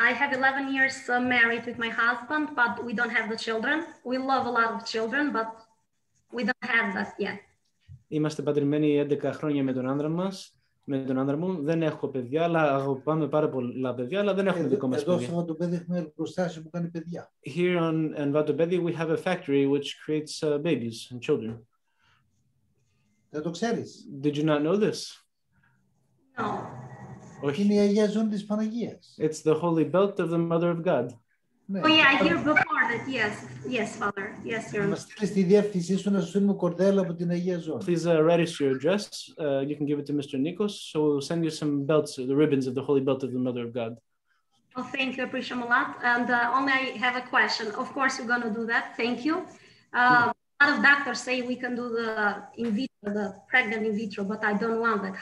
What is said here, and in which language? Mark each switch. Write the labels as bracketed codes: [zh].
[en] I have 11 years married with my husband, but we don't have the children. We love a lot of children, but we don't have that yet. [el] Είμαστε παντρεμένοι 11 χρόνια με τον άντρα μας. Με τον άντρα μου δεν έχω παιδιά, αλλά αγαπάμε πάρα πολλά παιδιά, αλλά δεν έχουμε δικό μας παιδί. Εδώ στο Βατοπέδι έχουμε εργοστάσιο που κάνει παιδιά. [en] Here on in Βατοπέδι we have a factory which creates babies and children. [el] Δεν το ξέρεις. [en] Did you not know this? No. [el] Όχι. Είναι η Αγία Ζώνη της Παναγίας. [en] It's the Holy Belt of the Mother of God. Oh yeah, I hear before that. Yes, Father. Yes, Your Honor. [el] Μας στείλεις τη διεύθυνσή σου να σου στείλουμε κορδέλα από την Αγία Ζώνη. [en] Please write your address. You can give it to Mr. Nikos. So we'll send you some belts, the ribbons of the Holy Belt of the Mother of God. Well, thank you. I appreciate them a lot. And only I have a question. Of course, we're going to do that. Thank you. A lot of doctors say we can do the in vitro, the pregnant in vitro, but I don't want that.